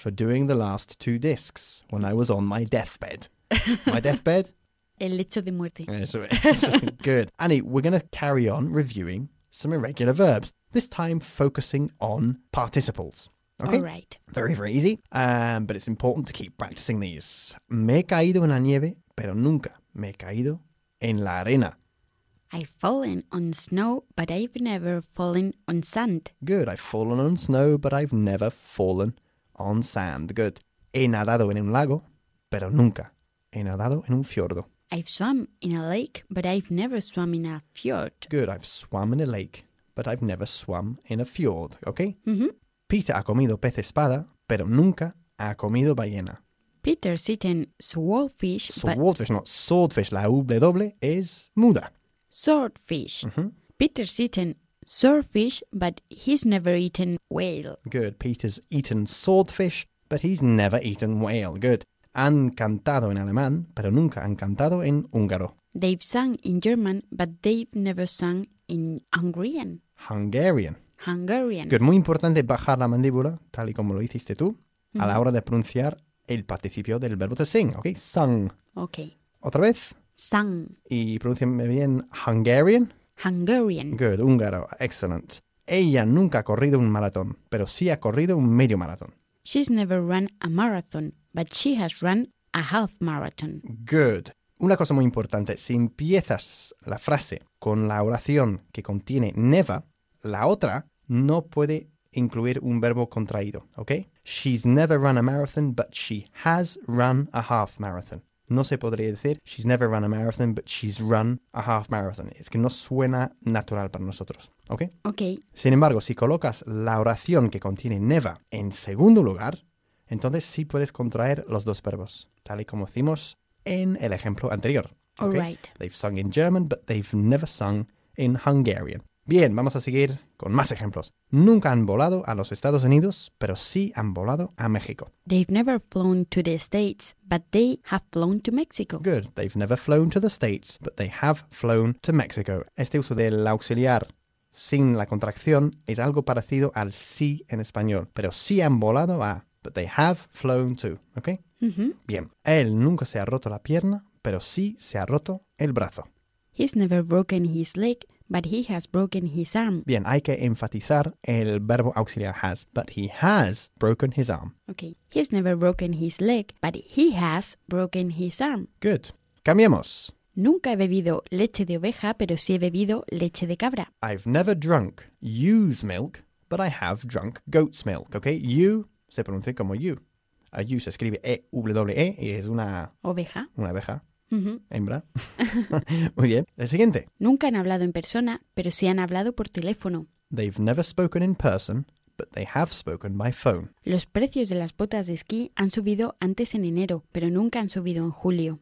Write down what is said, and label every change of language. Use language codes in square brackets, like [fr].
[en] For doing the last two discs when I was on my deathbed. My deathbed? [es] El lecho de muerte. Eso es. Good. [en] Annie, we're going to carry on reviewing some irregular verbs, this time focusing on participles. Okay? All right. Very, very easy, but it's important to keep practicing these. [es] Me he caído en la nieve, pero nunca me he caído en la arena. [en] I've fallen on snow, but I've never fallen on sand. Good. I've fallen on snow, but I've never fallen on sand. Good. [es] He nadado en un lago, pero nunca he nadado en un fiordo. [en] I've swum in a lake, but I've never swum in a fjord. Good. I've swum in a lake, but I've never swum in a fjord. Okay? Mm-hmm. [es] Peter ha comido pez espada, pero nunca ha comido ballena. [en] Peter's eaten swordfish, [es] Swordfish, la W is muda. [en] Swordfish. Mm-hmm. Peter's eaten swordfish, but he's never eaten whale. Good. Peter's eaten swordfish, but he's never eaten whale. Good. [es] Han cantado en alemán, pero nunca han cantado en húngaro. [en] They've sung in German, but they've never sung in Hungarian. Hungarian. Good. [es] Muy importante bajar la mandíbula, tal y como lo hiciste tú, mm-hmm. a la hora de pronunciar el participio del verbo to sing. Okay, sung. [en] Okay. [es] Otra vez. [en] Sung. [es] Y pronúnciame bien Hungarian. [en] Hungarian. Good. Húngaro. Excellent. [es] Ella nunca ha corrido un maratón, pero sí ha corrido un medio maratón. [en] She's never run a marathon, but she has run a half marathon. Good. [es] Una cosa muy importante, si empiezas la frase con la oración que contiene never, la otra no puede incluir un verbo contraído, ¿ok? [en] She's never run a marathon, but she has run a half marathon. [es] No se podría decir, [en] she's never run a marathon, but she's run a half marathon. [es] Es que no suena natural para nosotros, ¿ok? Ok. Sin embargo, si colocas la oración que contiene never en segundo lugar, entonces sí puedes contraer los dos verbos, tal y como hicimos en el ejemplo anterior. [en] ¿Okay? All right. They've sung in German, but they've never sung in Hungarian. [es] Bien, vamos a seguir con más ejemplos. Nunca han volado a los Estados Unidos, pero sí han volado a México. [en] They've never flown to the States, but they have flown to Mexico. Good. They've never flown to the States, but they have flown to Mexico. [es] Este uso del auxiliar sin la contracción es algo parecido al sí en español. Pero sí han volado a, [en] but they have flown to. [es] ¿Ok? Mm-hmm. Bien. Él nunca se ha roto la pierna, pero sí se ha roto el brazo. [en] He's never broken his leg, but he has broken his arm. [es] Bien, hay que enfatizar el verbo auxiliar has. [en] But he has broken his arm. Okay. He's never broken his leg, but he has broken his arm. [es] Good. Cambiemos. Nunca he bebido leche de oveja, pero sí he bebido leche de cabra. [en] I've never drunk ewe's milk, but I have drunk goat's milk. Okay. [es] Ewe se pronuncia como you. A ewe se escribe E-W-E y es una... Oveja. Una abeja. Uh-huh. Hembra. Muy bien. El siguiente. Nunca han hablado en persona, pero sí han hablado por teléfono. [en] They've never spoken in person, but they have spoken by phone. [es] Los precios de las botas de esquí han subido antes en enero, pero nunca han subido en julio.